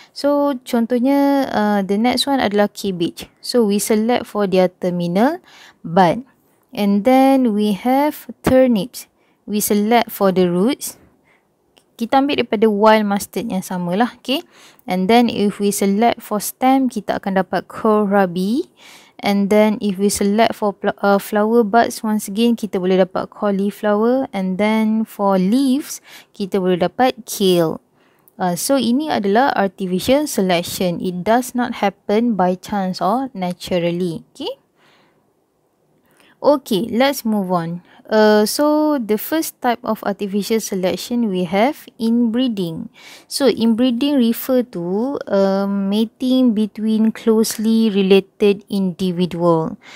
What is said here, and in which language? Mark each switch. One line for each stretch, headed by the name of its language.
English: So
Malay: contohnya
English: the next one
Malay: adalah
English: cabbage. So we select for their terminal bud, and then we have turnips, we select for the roots.
Malay: Kita ambil daripada wild mustard yang samalah, okay.
English: And then if we select for stem,
Malay: kita akan dapat
English: kohlrabi. And then if we select for flower buds, once again
Malay: kita boleh dapat
English: cauliflower. And then for leaves,
Malay: kita boleh dapat
English: kale. So
Malay: ini adalah
English: artificial selection. It does not happen by chance or naturally. Okay, let's move on. So the first type of artificial selection we have inbreeding. So inbreeding refer to mating between closely related individual.